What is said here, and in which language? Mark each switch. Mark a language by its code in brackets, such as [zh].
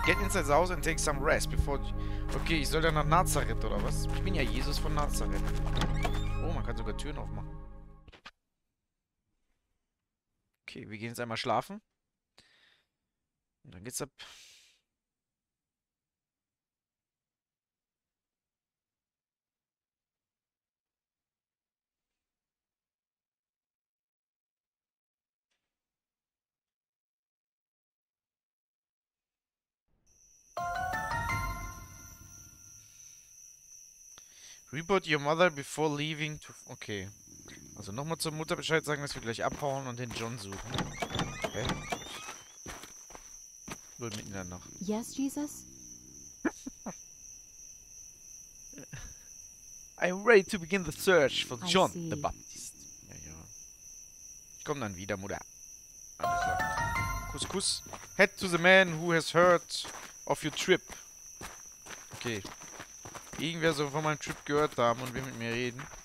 [en] Get inside the house and take some rest before. [de] Okay, ich soll dann nach Nazareth oder was? Ich bin ja Jesus von Nazareth. Oh, man kann sogar Türen aufmachen. Okay, wir gehen jetzt einmal schlafen. Und dann geht's ab. [en] Report your mother before leaving to... Okay. [de] Also nochmal zur Mutter Bescheid sagen, dass wir gleich abhauen und den John suchen. Okay. Wohl mitten in der Nacht. [en] Yes, Jesus. I'm ready to begin the search for John the Baptist. [de] Ja, ja. Ich komme dann wieder, Mutter. Alles klar. Kuss, kuss. [en] Head to the man who has heard of your trip. Okay. [de] Irgendwer soll von meinem Trip gehört haben und will mit mir reden.